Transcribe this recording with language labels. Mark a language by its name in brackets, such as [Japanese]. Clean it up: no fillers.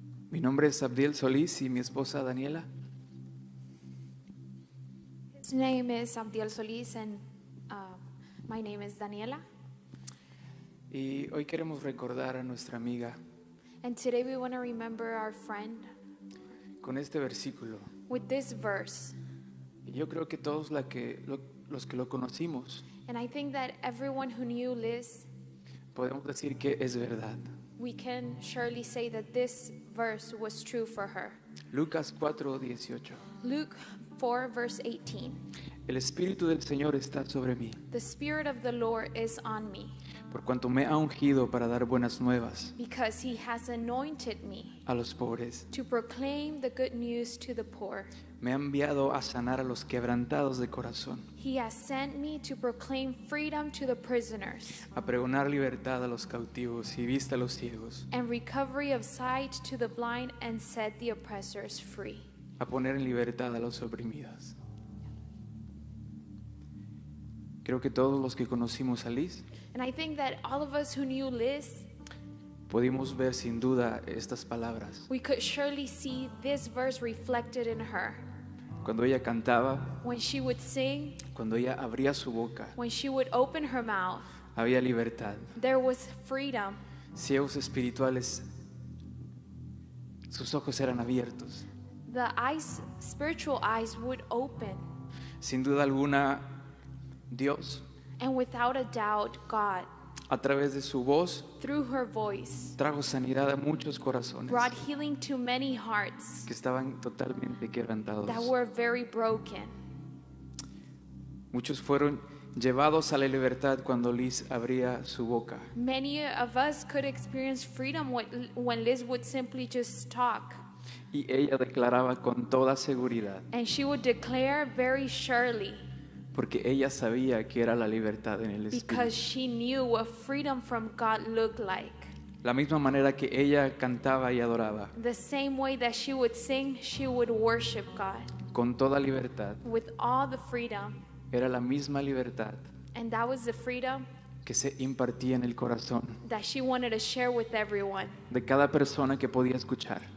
[Spanish] Mi nombre es Abdiel Solís y mi esposa Daniela. [English] His name is Abdiel Solís and my name is Daniela. [Spanish] Y hoy queremos recordar a nuestra amiga. [English] And today we want to remember our friend. [Spanish] Con este versículo. [English] With this verse. [Spanish] Y yo creo que todos los que lo conocimos. [English] And I think that everyone who knew Liz. [Spanish] Podemos decir que es verdad. [English] We can surely say that this verse was true for her. [Spanish] Lucas 4:18. [English] Luke 4 verse 18. [Spanish] El Espíritu del Señor está sobre mí. [English] The Spirit of the Lord is on me. [Spanish] Por cuanto me ha ungido para dar buenas nuevas. [English] Because he has anointed me. [Spanish] A los pobres. [English] To proclaim the good news to the poor. [Spanish] Me ha enviado a sanar a los quebrantados de corazón. [English] He has sent me to proclaim freedom to the prisoners. [Spanish] A pregonar libertad a los cautivos y vista a los ciegos. [English] And recovery of sight to the blind and set the oppressors free. [Spanish] A poner en libertad a los oprimidos. Creo que todos los que conocimos a Liz. [English] And I think that all of us who knew Liz. [Spanish] Pudimos ver sin duda estas palabras. [English] We could surely see this verse reflected in her. [Spanish] Cuando ella cantaba, [English] when she would sing, [Spanish] cuando ella abría su boca, [English] when she would open her mouth, [Spanish] había libertad. [English] There was freedom. [Spanish] Ciegos espirituales, sus ojos eran abiertos. [English] The eyes, spiritual eyes would open. [Spanish] Sin duda alguna, Dios, [English] and without a doubt, God, [Spanish] a través de su voz, [English] through her voice, [Spanish] trajo sanidad a muchos corazones, [English] brought healing to many hearts, [Spanish] que estaban totalmente quebrantados, [English] that were very broken. [Spanish] Muchos fueron llevados a la libertad cuando Liz abría su boca. [English] Many of us could experience freedom when Liz would simply just talk. [Spanish] Y ella declaraba con toda seguridad. [English] And she would declare very surely. [Spanish] Porque ella sabía que era la libertad en el Espíritu. [English] Because she knew what freedom from God looked like. [Spanish] la misma manera que ella cantaba y adoraba. [English] The same way that she would sing, she would worship God. [Spanish] Con toda libertad. [English] With all the freedom. [Spanish] Era la misma libertad. [English] And that was the freedom [Spanish] que se impartía en el corazón. [English] That she wanted to share with everyone. [Spanish] De cada persona que podía escuchar.